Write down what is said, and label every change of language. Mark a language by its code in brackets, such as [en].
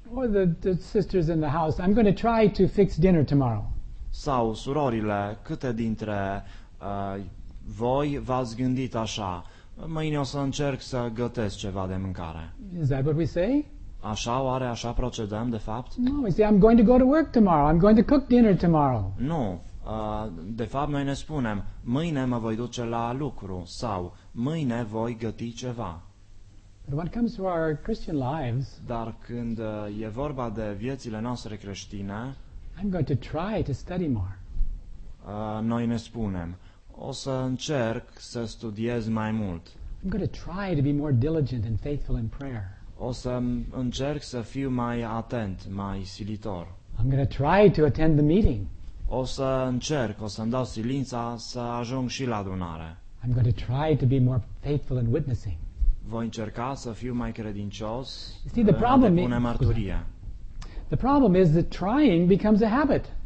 [en] Or the sisters in the house, I'm going to try to fix dinner tomorrow. [ro] Sau surorile, câte dintre voi v-ați gândit așa, mâine o să încerc să gătesc ceva de mâncare. [en] Is that what we say? [ro] Așa oare, așa procedăm de fapt? [en] No, we say, I'm going to go to work tomorrow, I'm going to cook dinner tomorrow. [ro] Nu, de fapt noi ne spunem, mâine mă voi duce la lucru sau mâine voi găti ceva. [en] But when it comes to our Christian lives, [ro] dar când e vorba de viețile noastre creștine, [en] I'm going to try to study more. [ro] Noi ne spunem, o să încerc să studiez mai mult. [en] I'm going to try to be more diligent and faithful in prayer. [ro] O să încerc să fiu mai atent, mai silitor. [en] I'm going to try to attend the meeting. [ro] O să încerc, o să-mi dau silința să ajung și la adunare. [en] I'm going to try to be more faithful in witnessing. [ro] Voi încerca să fiu mai credincios. [en] See, the problem [ro] în a depune mărturie. [en] The problem is that trying becomes a habit.